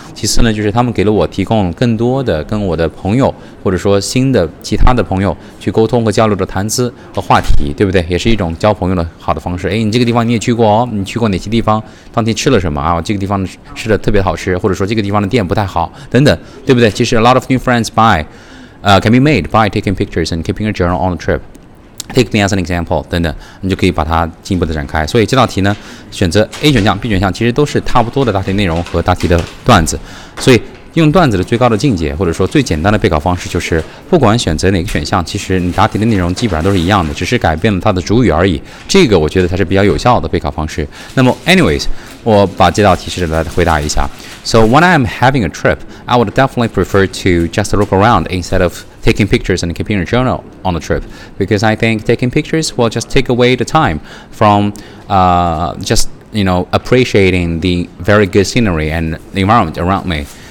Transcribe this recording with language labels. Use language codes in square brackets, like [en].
[zh] 其次呢，就是他们给了我提供更多的跟我的朋友，或者说新的其他的朋友去沟通和交流的谈资和话题，对不对？也是一种交朋友的好的方式。哎，你这个地方你也去过哦，你去过哪些地方，当天吃了什么啊，这个地方吃的特别好吃，或者说这个地方的店不太好等等，对不对？其实 [en] a lot of new friends can be made by taking pictures and keeping a journal on the trip. Take me as an example, [zh] 等等，你就可以把它进一步的展开。所以这道题呢，选择 A 选项、B 选项其实都是差不多的答题内容和答题的段子。所以用段子的最高的境界，或者说最简单的备考方式，就是不管选择哪个选项，其实你答题的内容基本上都是一样的，只是改变了它的主语而已。这个我觉得它是比较有效的备考方式。那么 anyways， 我把这道题试着来回答一下。 [en] So when I'm having a trip, I would definitely prefer to just look around instead of taking pictures and keeping a journal on the trip, because I think taking pictures will just take away the time from just, you know, appreciating the very good scenery and the environment around me.